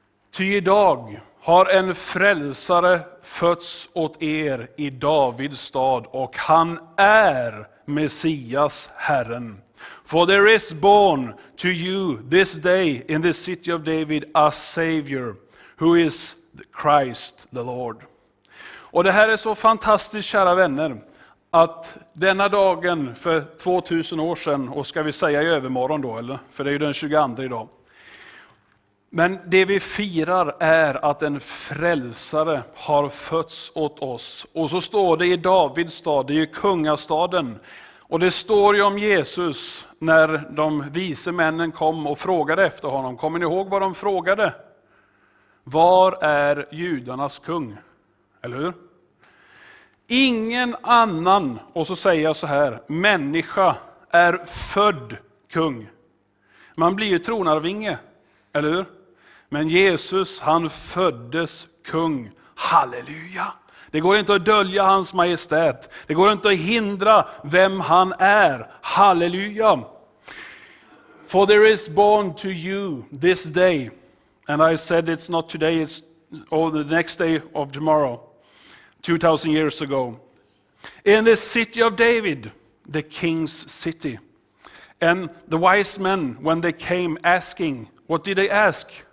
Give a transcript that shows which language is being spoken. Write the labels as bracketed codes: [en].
[sv] Ty idag har en frälsare fötts åt er i Davids stad, och han är Messias, Herren. [en] For there is born to you this day in the city of David a Savior, who is Christ the Lord. [sv] Och det här är så fantastiskt, kära vänner, att denna dagen för 2000 år sedan, och ska vi säga i övermorgon då, eller? För det är ju den 22 idag. Men det vi firar är att en frälsare har fötts åt oss. Och så står det i Davids stad, det är ju kungastaden. Och det står ju om Jesus när de vise männen kom och frågade efter honom. Kommer ni ihåg vad de frågade? Var är judarnas kung? Eller hur? Ingen annan, och så säger jag så här, människa är född kung. Man blir ju tronarvinge, eller hur? Men Jesus, han föddes kung. Halleluja! Det går inte att dölja hans majestät. Det går inte att hindra vem han är. Halleluja! [en] For there is born to you this day. And I said it's not today, it's the next day of tomorrow. 2000 years ago. In the city of David, the king's city. And the wise men, when they came asking, what did they ask?